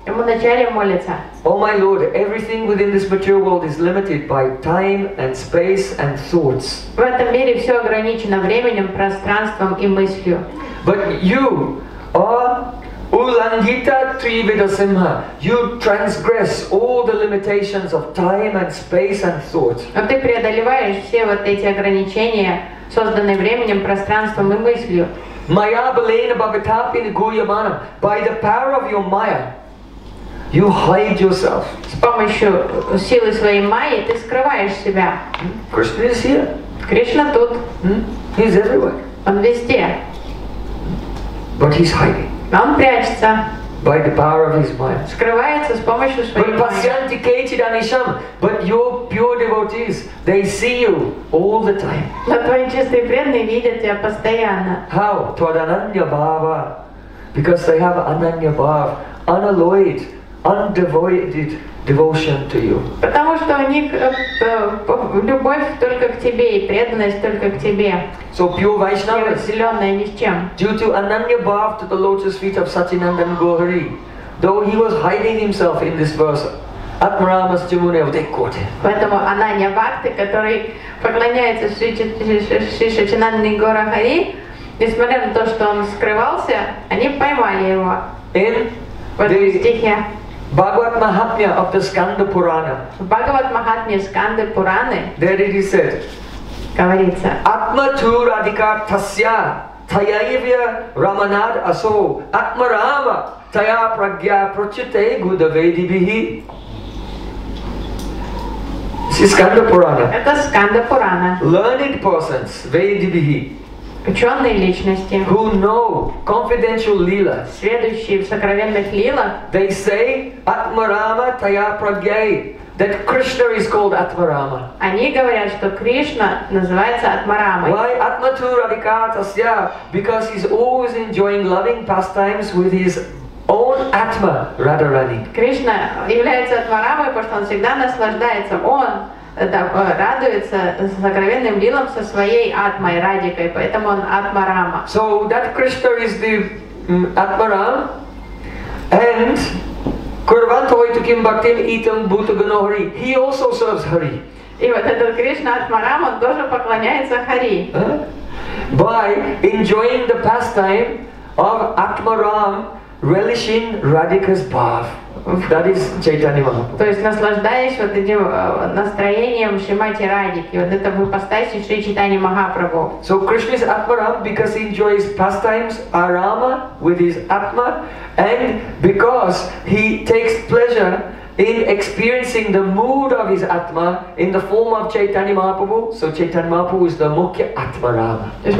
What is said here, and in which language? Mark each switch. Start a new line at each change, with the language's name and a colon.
English: Oh my Lord, everything within this material world is limited by time and space and thoughts.
Russian: В этом мире все ограничено временем, пространством и мыслью.
English: But you are Ulangita Trivida Simha. You transgress all the limitations of time and space and thoughts.
Russian: Но ты преодолеваешь все вот эти ограничения, созданные временем, пространством и мыслью.
Sanskrit: Maya balena bhagatapi guyamana.
English: By the power of your maya, you hide yourself.
Russian: С помощью силы своей майи ты скрываешь себя.
English: Krishna is here.
Russian: Кришна тут.
English: He's everywhere.
Russian: Он везде.
English: But he's hiding.
Russian: Он прячется.
English: By the power of his maya.
Russian: Скрывается с помощью своей
Sanskrit: майи. But pasyanti kechi danisham.
English: But your pure devotees, they see you all the time.
Russian: Но твои чистые преданные видят тебя постоянно.
English: How?
Sanskrit: Твад ананья бхава.
English: Because they have ананья бхав. Unalloyed, undivided devotion to you.
Russian: Потому что у них любовь только к тебе и преданность только к тебе.
English: So pure Vaishnavas,
Russian: ни с чем.
English: Due to ananya bhav to the lotus feet of Satyanandan Gohari, though he was hiding himself in this verse, Atmaramas Jumunev, they caught him.
Russian: Поэтому ананья бхакти, который поклоняется Шри Сачинандане Гохари, несмотря на то, что он скрывался, они поймали его.
English: In
Russian: the стихе.
English: Bhagavat Mahatmya of the Skanda Purana. Bhagavat Mahatmya Skanda Purana. There it is said.
Russian: Говорится.
Sanskrit: Atma tur adhikar tasya tayaivya ramanad aso atma rama taya pragya prachite gudavedi bihi.
English: This is Skanda Purana.
Russian: Это Skanda Purana.
English: Learned persons, vedi bihi.
Russian: Ученые личности,
English: who know confidential lila,
Russian: следующие в сокровенных лилах,
English: they say
Sanskrit: Atmarama Taya Pragyai,
English: that Krishna is called Atmarama.
Russian: Они говорят, что Кришна называется Атмарамой.
English: Why
Sanskrit: Atmatur Adhikatasya?
English: Because he's always enjoying loving pastimes with his own Atma, Radharani.
Russian: Кришна является Атмарамой, потому что он всегда наслаждается. Он радуется сокровенным лилам со своей атмой Радикой, поэтому он Атмарама.
English: So that Krishna is the Atmaram, and
Sanskrit: Kurvantoitu Kim Bhaktim Itam Bhutagano Hari.
English: He also serves Hari.
Russian: И вот этот Кришна Атмарам, он тоже поклоняется Хари.
English: By enjoying the pastime of Atmaram relishing Radhika's bath. That is Chaitanya Mahaprabhu.
Russian: То есть наслаждаясь вот этим настроением Шримати Радики, вот это в ипостаси Шри Чайтанья Махапрабху.
English: So Krishna is Atmaram because he enjoys pastimes Arama with his Atma, and because he takes pleasure in experiencing the mood of his Atma in the form of Chaitanya Mahaprabhu. So Chaitanya Mahaprabhu is the Mukhya Atmarama.